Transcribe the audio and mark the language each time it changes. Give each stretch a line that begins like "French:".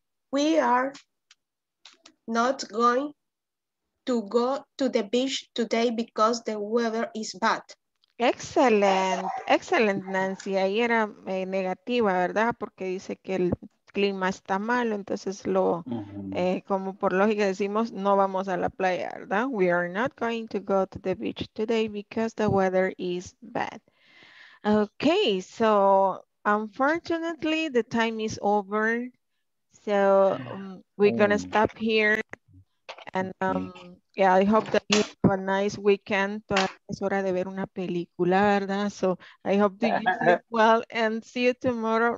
English: We are not going to go to the beach today because the weather is bad. Excellent, excellent, Nancy.
Spanish: Ahí era negativa, ¿verdad? Porque dice que el clima está malo, entonces lo, como por lógica decimos, no vamos a la playa, ¿verdad?
English: We are not going to go to the beach today because the weather is bad. Okay, so unfortunately, the time is over, so we're going to stop here, and yeah, I hope that you have a nice weekend.
Spanish: Toda es hora de ver una película, ¿verdad?
English: So I hope that you sleep well, and see you tomorrow.